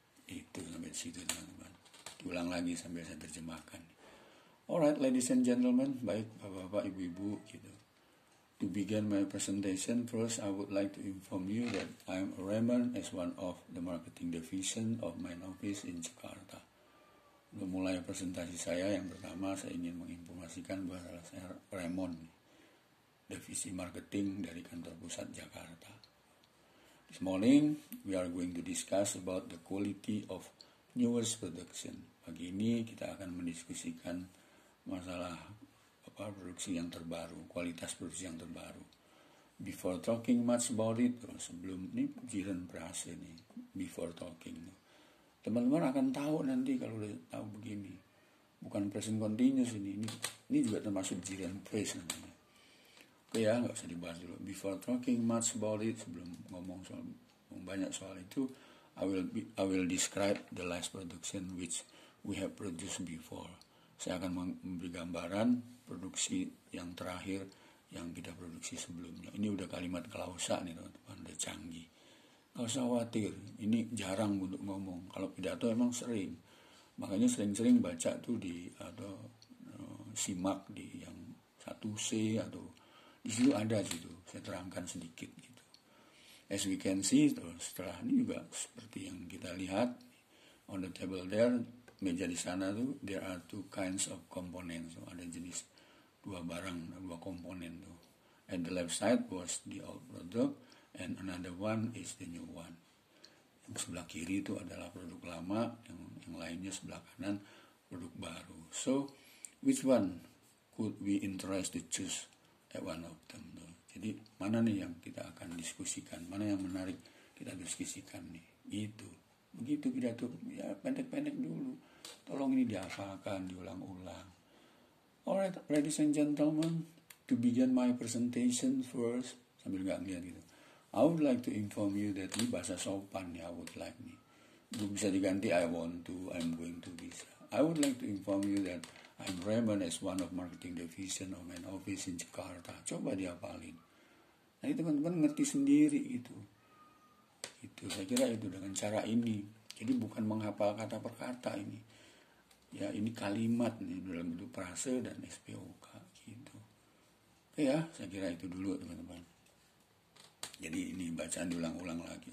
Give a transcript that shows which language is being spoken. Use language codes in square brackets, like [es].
[id] Itu sampai situ, teman-teman. Diulang lagi sambil saya terjemahkan. [en] Alright, ladies and gentlemen, [id] baik bapak-bapak, ibu-ibu, gitu. [en] To begin my presentation, first I would like to inform you that I am Raymond as one of the marketing division of main office in Jakarta. [id] Untuk mulai presentasi saya, yang pertama saya ingin menginformasikan bahwa saya Raymond, divisi marketing dari kantor pusat Jakarta. [en] This morning, we are going to discuss about the quality of newest production. [id] Pagi ini kita akan mendiskusikan masalah produksi yang terbaru, kualitas produksi yang terbaru. [en] Before talking much about it, [id] sebelum ini jiran berhasil nih, [en] before talking. [id] Teman-teman akan tahu nanti kalau udah tahu begini. Bukan present continuous ini juga termasuk jiran praise namanya. Oke ya, gak usah dibahas dulu. [en] Before talking much about it, [id] sebelum ngomong soal banyak soal itu, [en] I will describe the last production which we have produced before. [id] Saya akan memberi gambaran produksi yang terakhir yang kita produksi sebelumnya. Ini udah kalimat klausa nih teman-teman, udah canggih. Gak usah khawatir, ini jarang untuk ngomong. Kalau pidato emang sering. Makanya sering-sering baca tuh di, atau simak di yang 1C atau di situ ada gitu. Saya terangkan sedikit gitu. [en] As we can see, [id] tuh, setelah ini juga seperti yang kita lihat [en] on the table there, [id] meja di sana tuh, [en] there are two kinds of components. [id] So, ada jenis dua barang, dua komponen tuh. [en] At the left side was the old product and another one is the new one. [id] Yang sebelah kiri itu adalah produk lama, yang lainnya sebelah kanan produk baru. [en] So, which one could we interest to choose at one of them tuh? [id] Jadi, mana nih yang kita akan diskusikan? Mana yang menarik kita diskusikan nih? Gitu. Begitu pidato, ya pendek-pendek dulu. Tolong ini diapakan, diulang-ulang. [en] Alright, ladies and gentlemen, to begin my presentation first, [id] sambil gak ngeliat gitu, [en] I would like to inform you that [id] ini bahasa sopan ya, [en] I would like nih. [id] Itu bisa diganti, [en] I want to, I'm going to, bisa. I would like to inform you that I'm Raymond as one of marketing division of main office in Jakarta. [id] Coba diapalin. Nah, teman-teman ngerti sendiri itu. Itu saya kira itu dengan cara ini Jadi bukan menghafal kata per kata ini. Ya, ini kalimat nih dalam bentuk frase dan SPOK gitu. Oke ya, saya kira itu dulu teman-teman. Jadi ini bacaan diulang-ulang lagi.